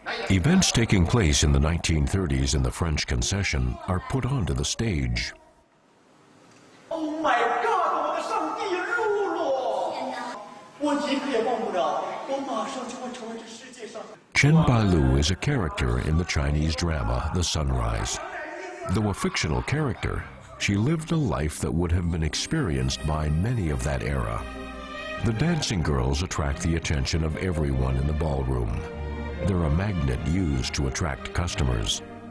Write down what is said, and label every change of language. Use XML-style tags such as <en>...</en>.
<en>Events taking place in the 1930s in the French Concession are put onto the stage. Oh my God!</en> <zh>我的上帝，日落！天哪！我一刻也忘不了，我马上就会成为这世界上。Chen</zh> <en>Bailu is a character in the Chinese drama The Sunrise. Though a fictional character, she lived a life that would have been experienced by many of that era. The dancing girls attract the attention of everyone in the ballroom. They're a magnet used to attract customers.</en>